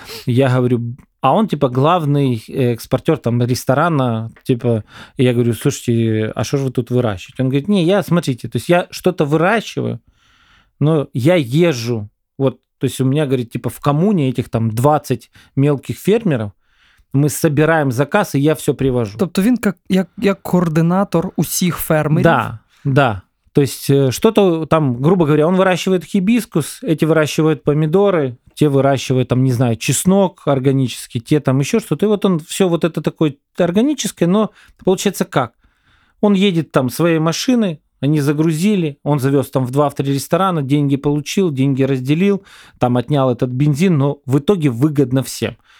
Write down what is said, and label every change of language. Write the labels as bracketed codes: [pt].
[ru] Я говорю, а он, типа, главный экспортер там ресторана, типа... И я говорю: «Слушайте, а что же вы тут выращиваете?» Он говорит: «Не, я, смотрите, то есть я что-то выращиваю, но я езжу, вот, то есть у меня, говорит, типа, в коммуне этих там 20 мелких фермеров, мы собираем заказ, и я все привожу». [uk] Тобто він як координатор усіх фермерів? [ru] Да, да. То есть что-то там, грубо говоря, он выращивает хибискус, эти выращивают помидоры, те выращивают там, не знаю, чеснок органический, те там еще что-то. И вот он все вот это такое органическое, но получается как? Он едет там своей машиной, они загрузили, он завез там в 2-3 ресторана, деньги получил, деньги разделил, там отнял этот бензин, но в итоге выгодно всем.